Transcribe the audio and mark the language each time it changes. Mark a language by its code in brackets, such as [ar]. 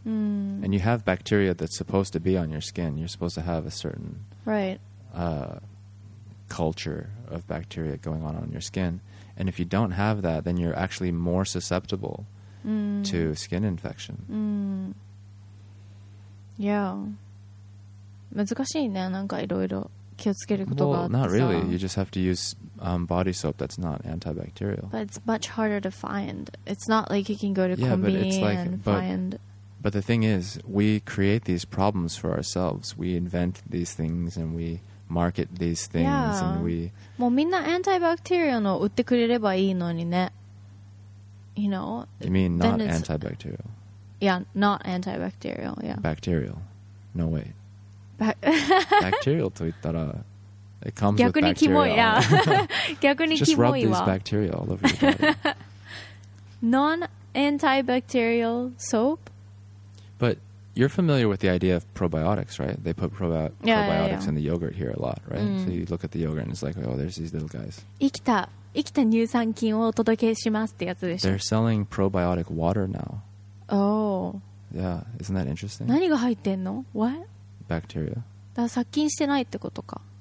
[en] And you have bacteria that's supposed to be on your skin. You're supposed to have a certain... Right. Culture of bacteria going on your skin, and if you don't have that, then you're actually more susceptible to skin infection. [ja] Yeah, 難しいね。なんかいろいろ気をつけることがあってさ。 [en] Well, not really. You just have to use body soap that's not antibacterial. But it's much harder to find. It's not like you can go to convenience and find. But the thing is, we create these problems for ourselves. We invent these things and we. Market these things, and we. [ja] もうみんなアンタイバクテリアの売ってくれればいいのにね。 [en] You know. You mean not antibacterial? Yeah, not antibacterial. Yeah. Bacterial. No way. Bacterial [ja] と言ったら、 [en] it comes with bacteria. [ja] 逆にキモい。逆にキモいわ。 [en] Just rub these bacteria all over your body. Non-antibacterial soap. But. You're familiar with the idea of probiotics, right? They put probiotics in the yogurt here a lot, right? So you look at the yogurt and it's like, oh, there's these little guys. [ja] 生きた乳酸菌をお届けしますってやつでしょ? [en] They're selling probiotic water now. Oh. Yeah, isn't that interesting? [ja] 何が入ってんの? [en] What? Bacteria. [ja] だから殺菌してないってことか。